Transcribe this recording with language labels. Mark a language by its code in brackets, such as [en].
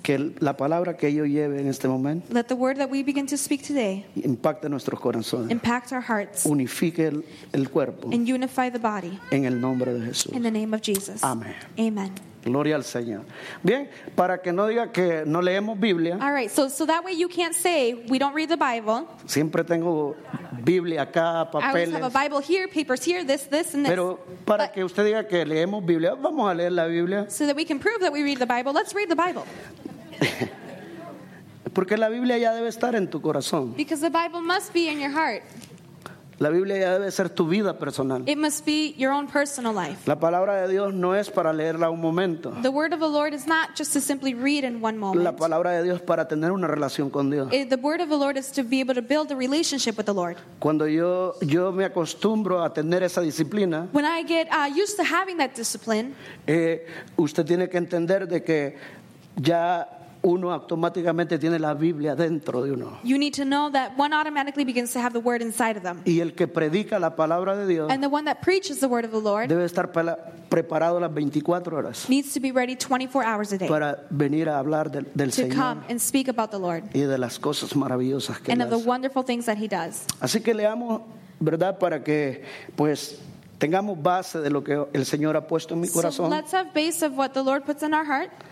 [es] que la palabra que yo lleve en este momento, [en] let the word that we begin to speak today, [es] impacte nuestros corazones, [en] impact our hearts, [es] unifique el cuerpo, [en] and unify the body, [es] en el nombre de Jesús, [en] in the name of Jesus, [es] amén, [en] amen. [es] Gloria al Señor. Bien, para que no diga que no leemos Biblia. [en] All right, so that way you can't say we don't read the Bible. [es] Siempre tengo Biblia acá, papeles. [en] I always have a Bible here, papers here, this and this. [es] Pero para que usted diga que leemos Biblia, vamos a leer la Biblia. [en] So that we can prove that we read the Bible, let's read the Bible. [es] Porque la Biblia ya debe estar en tu corazón. [en] Because the Bible must be in your heart. [es] La Biblia ya debe ser tu vida personal. [en] It must be your own personal life. [es] La palabra de Dios no es para leerla un momento. [en] The word of the Lord is not just to simply read in one moment. [es] La palabra de Dios para tener una relación con Dios. [en] The word of the Lord is to be able to build a relationship with the Lord. [es] Cuando yo me acostumbro a tener esa disciplina. [en] When I get used to having that discipline. [es] Usted tiene que entender de que ya uno automáticamente tiene la Biblia dentro de uno. [en] You need to know that one automatically begins to have the word inside of them. [es] Y el que predica la palabra de Dios, [en] and the one that preaches the word of the Lord, [es] debe estar preparado las 24 horas. [en] Needs to be ready 24 hours a day. [es] Para venir a hablar del [en] to [es] Señor. [en] To come and speak about the Lord. [es] Y de las cosas maravillosas que [en] and [es] él [en] of the [es] hace. [en] Wonderful things that he does. [es] Así que leamos, ¿verdad? Para que pues tengamos base de lo que el Señor ha puesto en mi corazón. [en] So let's have base of what the Lord puts in our heart.